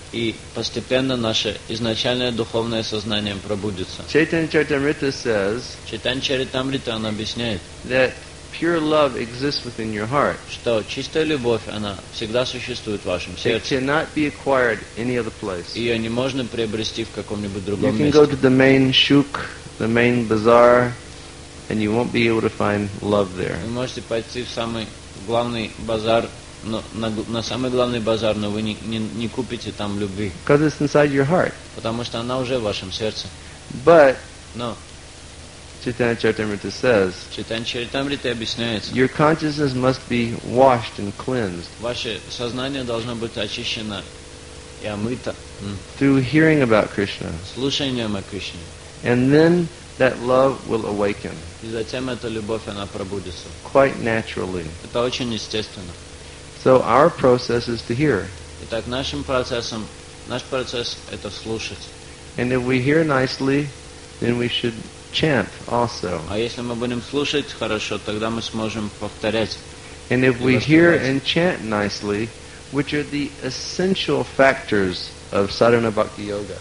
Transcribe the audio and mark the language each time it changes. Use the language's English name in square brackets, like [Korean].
[Russian] И постепенно наше изначальное духовное сознание пробудится. [English] Chaitanya Charitamrita says, [Russian] Chaitanya Charitamrita, он объясняет, [English] that pure love exists within your heart. [Russian] Что чистая любовь, она всегда существует в вашем сердце. [English] It cannot be acquired any other place. [Russian] Ее не можно приобрести в каком-нибудь другом месте. [English] You can go to the main shuk, the main bazaar, and you won't be able to find love there. [Russian] Вы можете пойти в самый главный базар, на самый главный базар, но вы не купите там любви. [English] Because it's inside your heart. [Russian] Потому что она уже в вашем сердце. [English] But no. Chaitanya Charitamrita says, [Russian] Chaitanya Charitamrita объясняется, [English] your consciousness must be washed and cleansed. [Russian] Ваше сознание должно быть очищено и омыто. [English] Through hearing about Krishna. [Russian] Слушанием о Кришне. [English] And then that love will awaken. [Russian] И затем эта любовь, она пробудится. [English] Quite naturally. [Russian] Это очень естественно. [English] So our process is to hear. [Russian] Итак, наш процесс это слушать. [English] And if we hear nicely, then we should chant also. [Russian] А если мы будем слушать хорошо, тогда мы сможем повторять. [English] And if we hear and chant nicely, which are the essential factors of sadhana bhakti yoga.